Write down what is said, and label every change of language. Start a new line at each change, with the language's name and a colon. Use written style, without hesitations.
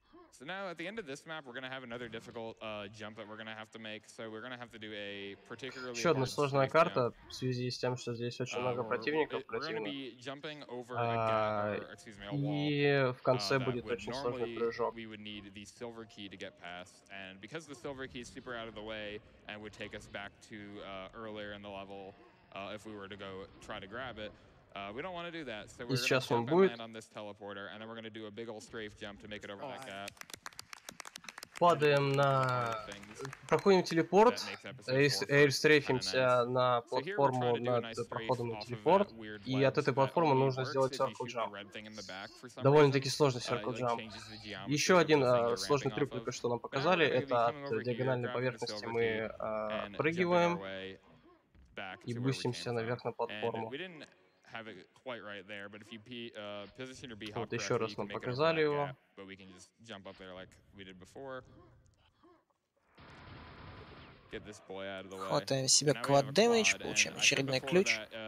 English: So now at the end of this map we're going to have another difficult jump that we're going to have to make. So we're going to have to do a particularly
Russian: Ещё одна сложная карта в связи с тем, что здесь очень много противников, и в конце будет очень сложный прыжок.
English: We would need the silver key to get past, and because the silver key is super out of the way and would take us back to earlier in the level if we were to go try to grab it. We don't want to do that, so we're going to jump and land on this teleporter, and then we're going to do a big old strafe jump to make it over that gap.
Russian: Падаем на... Проходим телепорт, эйрстрейфимся на платформу над проходом на телепорт, и от этой платформы нужно сделать circle jump. Довольно-таки сложный circle jump. Еще один сложный трюк, только что нам показали, это от диагональной поверхности мы прыгиваем и бустимся наверх на платформу.
English: Have it quite right there, but if you position your B-hop correctly, you can make it over that gap, but we can just jump up there like we did before. Get this boy out of the way.
Russian: Хватаем себе квад дэмэдж, получаем очередной ключ.